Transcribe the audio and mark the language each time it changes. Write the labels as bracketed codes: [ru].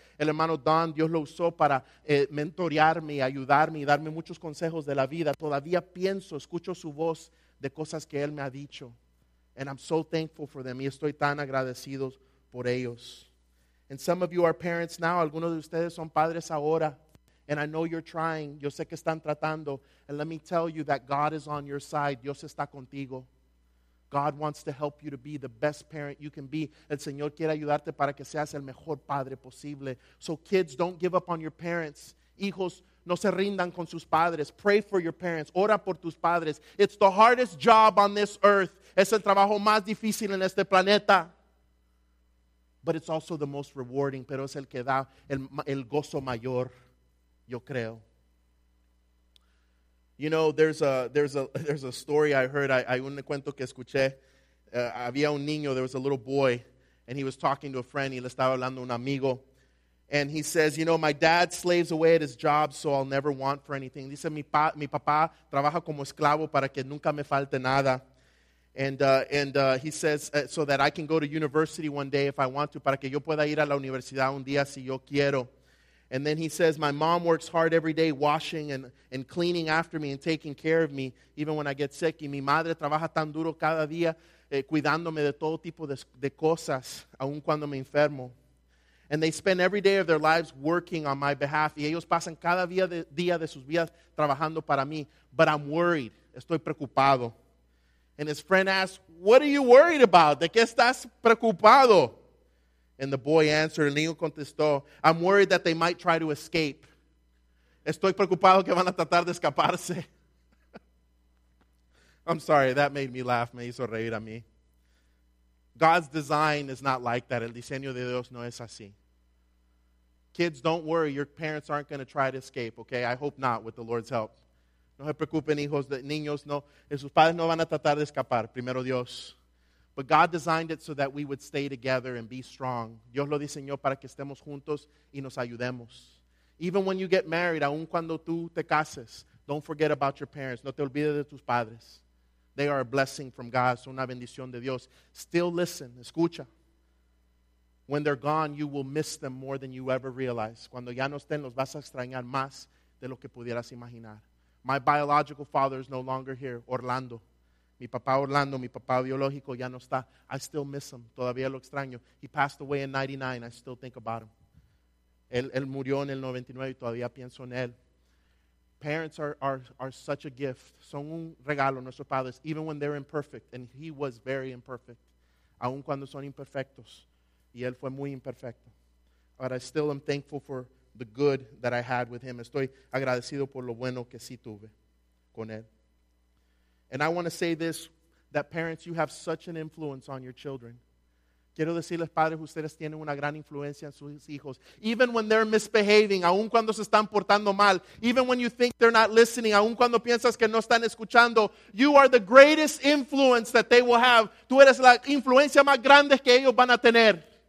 [es] El hermano Don, Dios lo usó para mentorearme, ayudarme, darme muchos consejos de la vida. Todavía pienso, escucho su voz de cosas que él me ha dicho. [en] And I'm so thankful for them. [es] Y estoy tan agradecido por ellos. [en] And some of you are parents now. [es] Algunos de ustedes son padres ahora. [en] And I know you're trying. [es] Yo sé que están tratando. [en] And let me tell you that God is on your side. [es] Dios está contigo. [en] God wants to help you to be the best parent you can be. [es] El Señor quiere ayudarte para que seas el mejor padre posible. [en] So kids, don't give up on your parents. [es] Hijos, no se rindan con sus padres. [en] Pray for your parents. [es] Ora por tus padres. [en] It's the hardest job on this earth. [es] Es el trabajo más difícil en este planeta. [en] But it's also the most rewarding. [es] Pero es el que da el gozo mayor, yo creo. [en] You know, there's a story I heard. [es] Hay un cuento que escuché. Había un niño, [en] there was a little boy. And he was talking to a friend. [es] Y le estaba hablando a un amigo. [en] And he says, you know, my dad slaves away at his job, so I'll never want for anything. [es] Dice, mi papá trabaja como esclavo para que nunca me falte nada. [en] And he says, so that I can go to university one day if I want to, [es] para que yo pueda ir a la universidad un día si yo quiero. [en] And then he says, my mom works hard every day washing and cleaning after me and taking care of me, even when I get sick. [es] Y mi madre trabaja tan duro cada día cuidándome de todo tipo de cosas, aun cuando me enfermo. [en] And they spend every day of their lives working on my behalf. [es] Y ellos pasan cada día de sus vidas trabajando para mí. [en] But I'm worried. [es] Estoy preocupado. [en] And his friend asks, what are you worried about? [es] ¿De qué estás preocupado? [en] And the boy answered, [es] el niño contestó, [en] I'm worried that they might try to escape. [es] Estoy preocupado que van a tratar de escaparse. [en] I'm sorry, that made me laugh. [es] Me hizo reír a mí. [en] God's design is not like that. [es] El diseño de Dios no es así. [en] Kids, don't worry. Your parents aren't going to try to escape, okay? I hope not, with the Lord's help. [es] No se preocupen, hijos, niños, no. Sus padres no van a tratar de escapar, primero Dios. [en] But God designed it so that we would stay together and be strong. [es] Dios lo diseñó para que estemos juntos y nos ayudemos. [en] Even when you get married, [es] aun cuando tú te cases, [en] don't forget about your parents. [es] No te olvides de tus padres. [en] They are a blessing from God. [es] Son una bendición de Dios. [en] Still listen. [es] Escucha. [en] When they're gone, you will miss them more than you ever realize. [es] Cuando ya no estén, los vas a extrañar más de lo que pudieras imaginar. [en] My biological father is no longer here. [es] Orlando. Mi papá Orlando, mi papá biológico ya no está. [en] I still miss him. [es] Todavía lo extraño. [en] He passed away in 99. I still think about him. [es] Él murió en el 99 y todavía pienso en él. [en] Parents are such a gift. [es] Son un regalo nuestros padres, [en] even when they're imperfect. And he was very imperfect. [es] Aun cuando son imperfectos. Y él fue muy imperfecto. [en] But I still am thankful for the good that I had with him. [es] Estoy agradecido por lo bueno que sí tuve con él. [en] And I want to say this, that parents, you have such an influence on your children. [es] Quiero decirles, padres, ustedes tienen una gran influencia en sus hijos. [en] Even when they're misbehaving, [es] aun cuando se están portando mal, [en] even when you think they're not listening, [es] aun cuando piensas que no están escuchando, [en] you are the greatest influence that they will have. [es] Tú eres la influencia más grande que ellos van a tener.